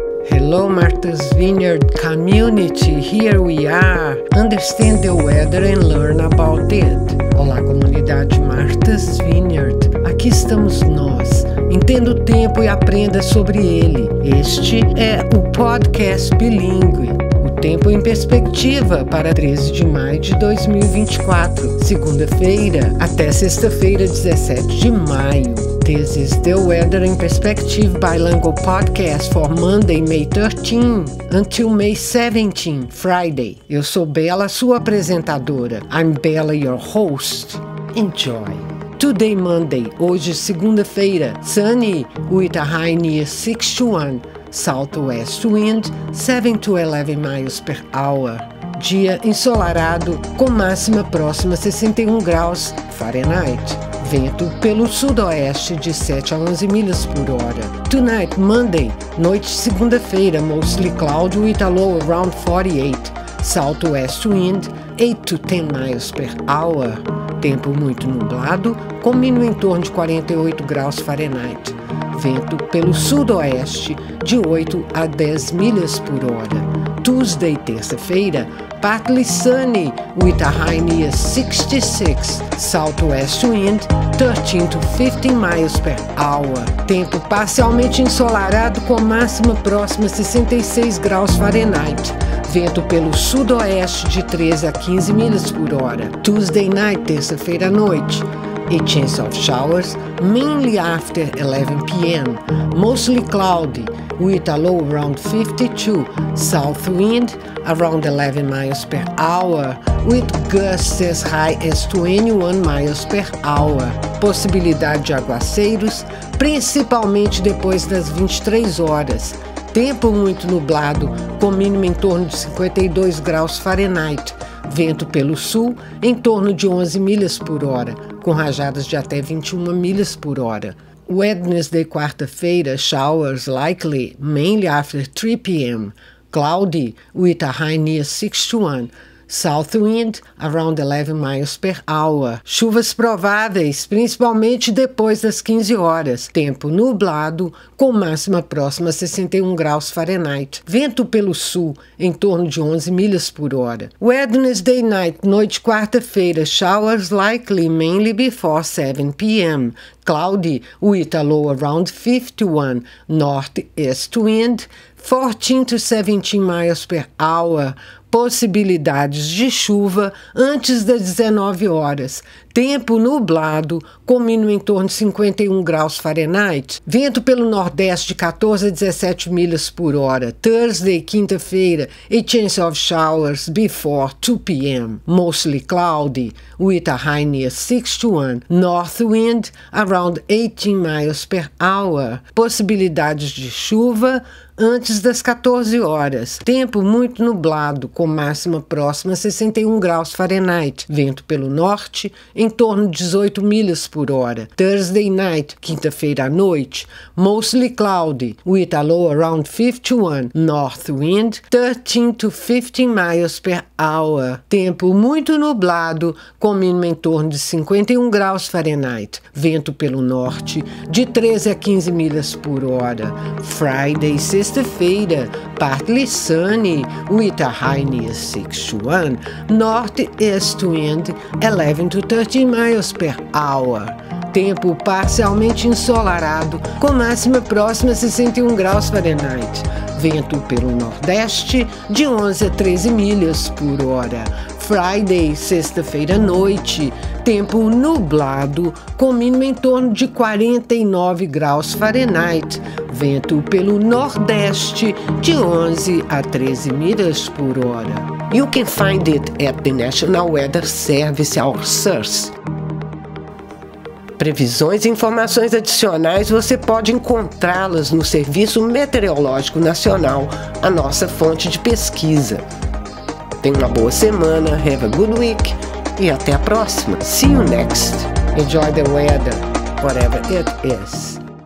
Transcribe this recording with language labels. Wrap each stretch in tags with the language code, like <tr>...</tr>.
<en>Hello, Martha's Vineyard community. Here we are. Understand the weather and learn about it.</en> <pt>Olá, comunidade Martha's Vineyard. Aqui estamos nós. Entenda o tempo e aprenda sobre ele. Este é o podcast bilíngue. O tempo em perspectiva para 13 de maio de 2024, segunda-feira, até sexta-feira, 17 de maio.</pt> <en>This is the Weather in Perspective Bilingual Podcast for Monday, May 13, until May 17, Friday.</en> <pt>Eu sou Bella, sua apresentadora.</pt> <en>I'm Bella, your host. Enjoy. Today, Monday.</en> <pt>Hoje, segunda-feira.</pt> <en>Sunny, with a high near 61. Southwest wind, 7 to 11 miles per hour.</en> <pt>Dia ensolarado, com máxima próxima 61 graus Fahrenheit. Vento pelo sudoeste de 7 a 11 milhas por hora.</pt> <en>Tonight, Monday,</en> <pt>noite segunda-feira,</pt> <en>mostly cloudy with a low around 48. Southwest wind, 8 to 10 miles per hour.</en> <pt>Tempo muito nublado, com mínimo em torno de 48 graus Fahrenheit. Vento pelo sudoeste de 8 a 10 milhas por hora. Tuesday, terça-feira, partly sunny with a high near 66, southwest wind 13 to 15 miles per hour. Tempo parcialmente ensolarado com máxima próxima 66 graus Fahrenheit. Vento pelo sudoeste de 13 a 15 milhas por hora.</pt> <en>Tuesday night,</en> <pt>terça-feira à noite.</pt> <en>A chance of showers, mainly after 11 p.m. Mostly cloudy, with a low around 52. South wind, around 11 miles per hour, with gusts as high as 21 miles per hour.</en> <pt>Possibilidade de aguaceiros, principalmente depois das 23 horas. Tempo muito nublado, com mínimo em torno de 52 graus Fahrenheit. Vento pelo sul, em torno de 11 milhas por hora, com rajadas de até 21 milhas por hora.</pt> <en>Wednesday,</en> <pt>quarta-feira,</pt> <en>showers likely, mainly after 3 p.m. Cloudy, with a high near 61. South wind, around 11 miles per hour.</en> <pt>Chuvas prováveis, principalmente depois das 15 horas. Tempo nublado, com máxima próxima a 61 graus Fahrenheit. Vento pelo sul, em torno de 11 milhas por hora.</pt> <en>Wednesday night,</en> <pt>noite quarta-feira.</pt> <en>Showers likely, mainly before 7 p.m. Cloudy, with a low around 51. Northeast wind, 14 to 17 miles per hour.</en> <pt>Possibilidades de chuva antes das 19 horas. Tempo nublado, com mínimo em torno de 51 graus Fahrenheit. Vento pelo nordeste de 14 a 17 milhas por hora.</pt> <en>Thursday,</en> <pt>quinta-feira,</pt> <en>a chance of showers before 2 p.m. Mostly cloudy, with a high near 61. North wind, around 18 miles per hour.</en> <pt>Possibilidades de chuva antes das 14 horas. Tempo muito nublado, com máxima próxima a 61 graus Fahrenheit. Vento pelo norte, em torno de 18 milhas por hora.</pt> <en>Thursday night,</en> <pt>quinta-feira à noite,</pt> <en>mostly cloudy, with a low around 51. North wind, 13 to 15 miles per hour.</en> <pt>Tempo muito nublado, com mínimo em torno de 51 graus Fahrenheit. Vento pelo norte, de 13 a 15 milhas por hora.</pt> <en>Friday,</en> <pt>sexta-feira,</pt> <en>partly sunny, with a high near 61. Northeast wind, 11 to 13 miles per hour.</en> <pt>Tempo parcialmente ensolarado, com máxima próxima a 61 graus Fahrenheit. Vento pelo nordeste, de 11 a 13 milhas por hora.</pt> <en>Friday,</en> <pt>sexta-feira à noite, tempo nublado, com mínimo em torno de 49 graus Fahrenheit. Vento pelo nordeste, de 11 a 13 milhas por hora.</pt> <en>You can find it at the National Weather Service, our source.</en> <pt>Previsões e informações adicionais você pode encontrá-las no Serviço Meteorológico Nacional, a nossa fonte de pesquisa. Tenha uma boa semana,</pt> <en>have a good week</en> <pt>e até a próxima.</pt> <en>See you next. Enjoy the weather, whatever it is.</en>